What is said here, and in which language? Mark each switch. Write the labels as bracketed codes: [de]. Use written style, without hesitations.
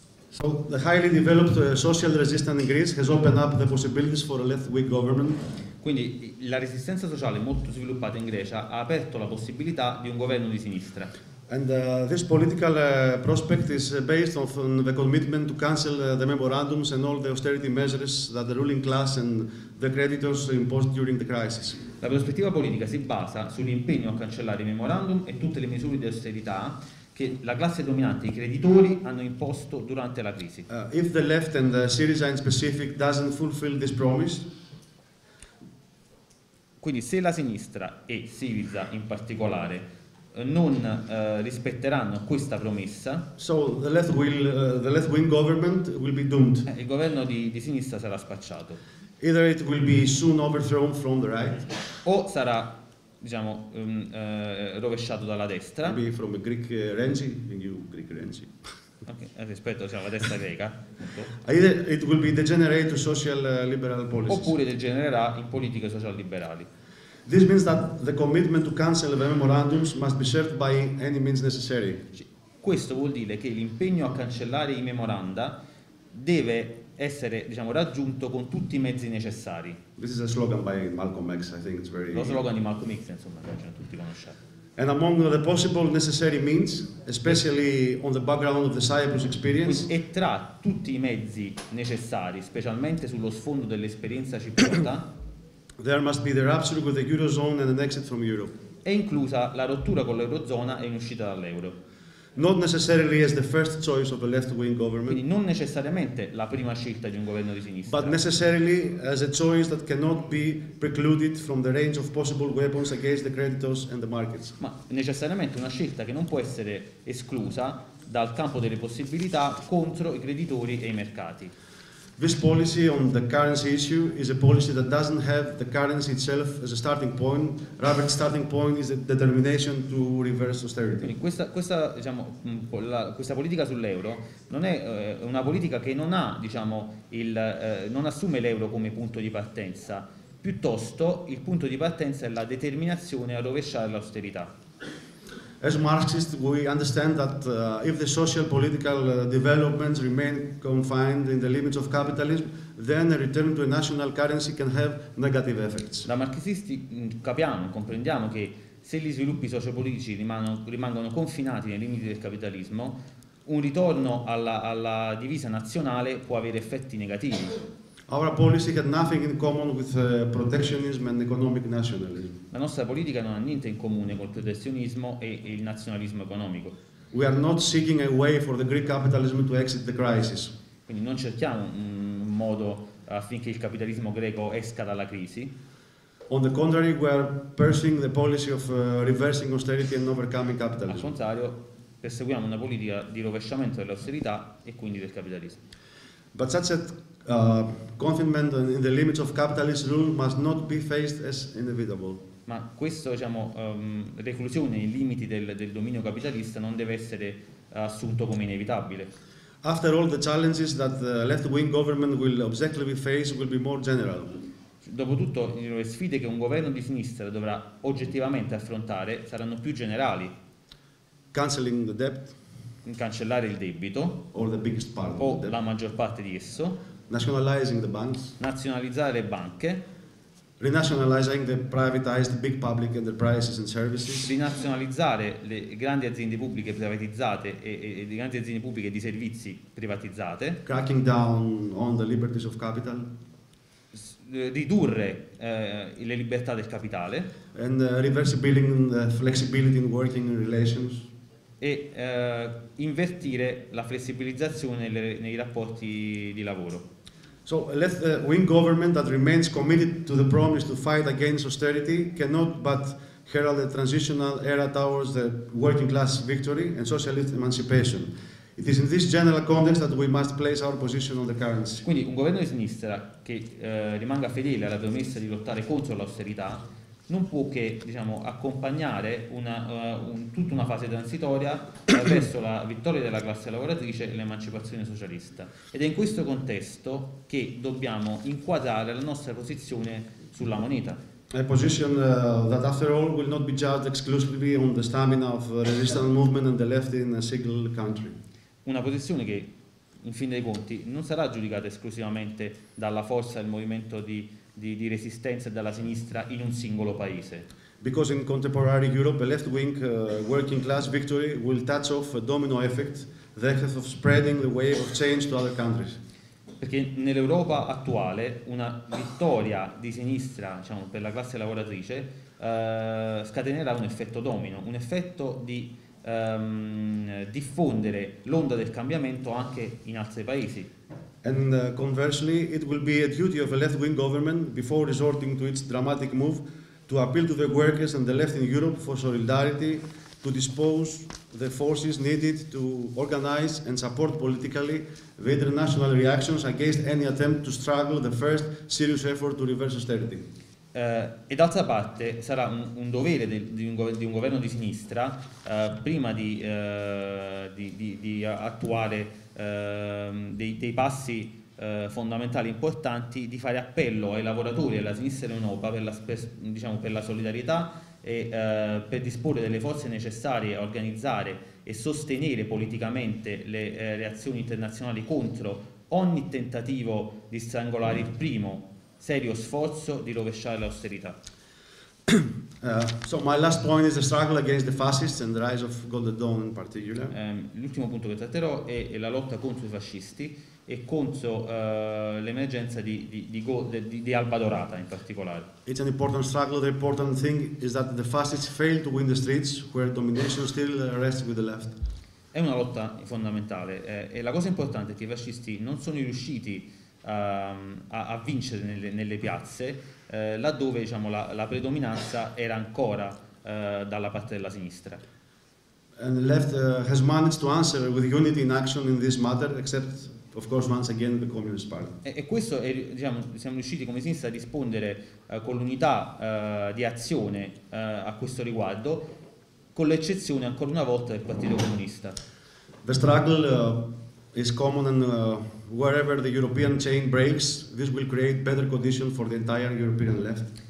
[en] So the highly developed social resistance in Greece has opened up the possibilities for a left-wing government. [it] Quindi la resistenza sociale molto sviluppata in Grecia ha aperto la possibilità di un governo di sinistra. [en] And this political prospect is based on the commitment to cancel the memorandums and all the austerity measures that the ruling class and the creditors imposed during the crisis. [it] La prospettiva politica si basa sull'impegno a cancellare i memorandum e tutte le misure di austerità che la classe dominante, i creditori, hanno imposto durante la crisi. [en] If the left and the Syriza in specific doesn't fulfill this promise, [it] quindi se la sinistra e Syriza in particolare non rispetteranno questa promessa, [en] so the left wing government will be doomed. [it] Il governo di sinistra sarà spacciato. [en] Either it will be soon overthrown from the right, [it] o sarà diciamo rovesciato dalla destra. [en] Maybe from a Greek Renzi, a new Greek Renzi. [it] Okay, rispetto alla destra greca. [en] Either it will be degenerate to social liberal policies. [it] Oppure degenererà in politiche social liberali. [en] This means that the commitment to cancel the memorandums must be served by any means necessary. [it] Questo vuol dire che l'impegno a cancellare i memoranda deve essere diciamo raggiunto con tutti i mezzi necessari. [en] This is a slogan by Malcolm X, I think it's very. [it] Lo slogan di Malcolm X, insomma, che tutti conosciamo. [en] And among the possible necessary means, especially on the background of the Cyprus experience. [it] E tra tutti i mezzi necessari, specialmente sullo sfondo dell'esperienza cipriota. [en] There must be the rupture with the eurozone and an exit from Europe. [it] È inclusa la rottura con l'eurozona e un'uscita dall'euro. [en] Not necessarily as the first choice of a left-wing government. [it] Quindi non necessariamente la prima scelta di un governo di sinistra. [en] But necessarily as a choice that cannot be precluded from the range of possible weapons against the creditors and the markets. [it] Ma necessariamente una scelta che non può essere esclusa dal campo delle possibilità contro i creditori e i mercati. [en] This policy on the currency issue is a policy that doesn't have the currency itself as a starting point. Rather, the starting point is the determination to reverse austerity. [it] Quindi questa diciamo questa politica sull'euro non è una politica che non ha diciamo non assume l'euro come punto di partenza. Piuttosto il punto di partenza è la determinazione a rovesciare l'austerità. [en] As Marxists, we understand that if the social political developments remain confined in the limits of capitalism, then a return to a national currency can have negative effects. [it] Da marxisti capiamo, comprendiamo che se gli sviluppi sociopolitici rimangono confinati nei limiti del capitalismo, un ritorno alla divisa nazionale può avere effetti negativi. [en] Our policy had nothing in common with protectionism and economic nationalism. [it] La nostra politica non ha niente in comune col protezionismo e il nazionalismo economico. [en] We are not seeking a way for the Greek capitalism to exit the crisis. [it] Quindi non cerchiamo un modo affinché il capitalismo greco esca dalla crisi. [en] On the contrary, we are pursuing the policy of reversing austerity and overcoming capitalism. [it] Al contrario, perseguiamo una politica di rovesciamento dell'austerità e quindi del capitalismo. [en] But such a confinement in the limits of capitalist rule must not be faced as inevitable. [it] Ma questo diciamo reclusione nei limiti del dominio capitalista non deve essere assunto come inevitabile. [en] After all, the challenges that the left-wing government will objectively face will be more general. [it] Dopotutto, le sfide che un governo di sinistra dovrà oggettivamente affrontare saranno più generali. [en] Cancelling the debt. [it] Cancellare il debito. [en] Or the biggest part. [it] O la maggior parte di esso. [en] Nationalizing the banks. [it] Nazionalizzare le banche. [en] Renationalizing the privatized big public enterprises and services. [it] Rinazionalizzare le grandi aziende pubbliche privatizzate e le grandi aziende pubbliche di servizi privatizzate. [en] Cracking down on the liberties of capital. [it] Ridurre le libertà del capitale. [en] And reversibling the flexibility in working relations. [it] E invertire la flessibilizzazione nei rapporti di lavoro. [en] So a left-wing government that remains committed to the promise to fight against austerity cannot but heralded the transitional era towards the working class victory and socialist emancipation. It is in this general context that we must place our position on the currency. [it] Quindi un governo di sinistra che rimanga fedele alla promessa di lottare contro l'austerità non può che, diciamo, accompagnare tutta una fase transitoria verso la vittoria della classe lavoratrice e l'emancipazione socialista. Ed è in questo contesto che dobbiamo inquadrare la nostra posizione sulla moneta. [en] A position that, after all, will not be judged exclusively on the stamina of the resistance movement and the left in a single country. [it] Una posizione che, in fin dei conti, non sarà giudicata esclusivamente dalla forza del movimento di resistenza dalla sinistra in un singolo paese. [en] Because in contemporary Europe, a left-wing working class victory will touch off a domino effect, the effect of spreading the wave of change to other countries. [it] Perché nell'Europa attuale una vittoria di sinistra, diciamo, per la classe lavoratrice scatenerà un effetto domino, un effetto di diffondere l'onda del cambiamento anche in altri paesi. [en] And conversely, it will be a duty of a left-wing government, before resorting to its dramatic move, to appeal to the workers and the left in Europe for solidarity, to dispose the forces needed to organize and support politically the international reactions against any attempt to struggle the first serious effort to reverse austerity. [it] E d'altra parte sarà un dovere di un governo di sinistra, prima di attuare dei passi fondamentali importanti, di fare appello ai lavoratori e alla sinistra in Europa per la solidarietà e per disporre delle forze necessarie a organizzare e sostenere politicamente le reazioni internazionali contro ogni tentativo di strangolare il primo serio sforzo di rovesciare l'austerità. [en] So my last point is the struggle against the fascists and the rise of Golden Dawn in particular. [it] L'ultimo punto che tratterò è la lotta contro i fascisti e contro l'emergenza di Alba Dorata in particolare. [en] It's an important struggle. The important thing is that the fascists fail to win the streets where domination still rests with the left. [it] È una lotta fondamentale e la cosa importante è che i fascisti non sono riusciti a vincere nelle piazze laddove, diciamo, la predominanza era ancora dalla parte della sinistra. [en] And the left has managed to answer with unity in action in this matter, except of course once again the Communist Party. [it] E questo è, diciamo, siamo riusciti come sinistra a rispondere con l'unità di azione a questo riguardo, con l'eccezione ancora una volta del Partito Comunista. [en] The struggle is common and wherever the European chain breaks, this will create better conditions for the entire European left.